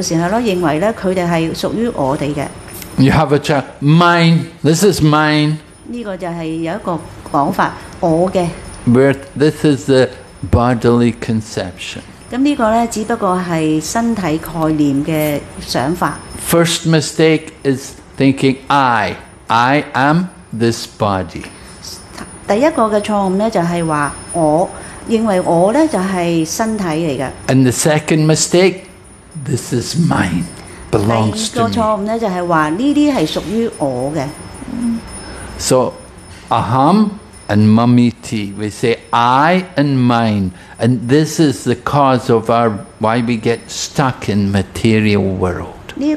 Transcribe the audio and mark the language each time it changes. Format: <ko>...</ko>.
<yue>我哋有男朋友或者女朋友嘅時候咯，認為咧佢哋係屬於我哋嘅。</yue> <en>You have a child. Mine. This is mine.</en> <yue>呢個就係有一個講法，我嘅。</yue> <en>This is the bodily conception.</en> <yue>咁呢個咧，只不過係身體概念嘅想法。</yue> <en>First mistake is thinking I am this body.</en> <yue>第一個嘅錯誤咧，就係話我。</yue> <en>And the second mistake, this is mine, belongs to me.</en> <yue>第二個錯誤咧，就係話呢啲係屬於我嘅。</yue> <en>So, aham and mamiti, we say I and mine, and this is the cause of why we get stuck in material world.</en>